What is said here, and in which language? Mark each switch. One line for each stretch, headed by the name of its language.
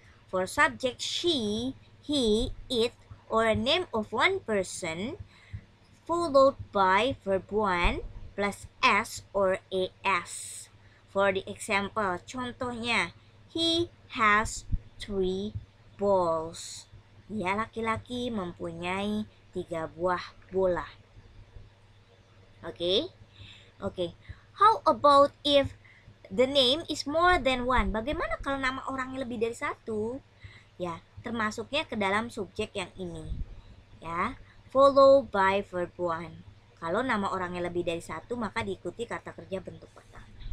English: For subject she, he, it, or name of one person, followed by verb 1 plus s or es. For the example, contohnya, he has 3 balls.
Indonesian: Dia laki-laki mempunyai 3 buah bola.
English: Okay? Okay. How about if the name is more than one?
Indonesian: Bagaimana kalau nama orangnya lebih dari 1? Ya, termasuknya ke dalam subjek yang ini. Ya,
English: follow by verb 1.
Indonesian: Kalau nama orangnya lebih dari 1, maka diikuti kata kerja bentuk pertama.